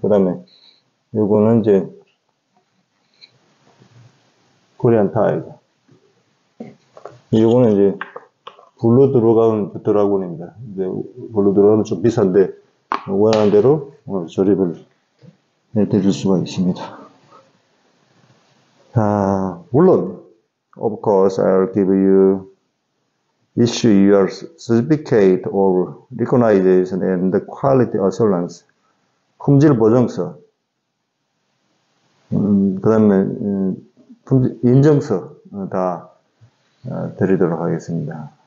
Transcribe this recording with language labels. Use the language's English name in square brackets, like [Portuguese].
[Korean] 그 다음에, 요거는 이제, 코리안 타이거. 요거는 이제, 블루 드래곤입니다. 이제 블루 드래곤은 좀 비싼데 원하는 대로 조립을 해드릴 수가 있습니다. 물론, [English] of course, I'll give you issue your certificate of recognition and the quality assurance, [Korean] 품질 보증서. 그다음에 인증서 다 드리도록 하겠습니다.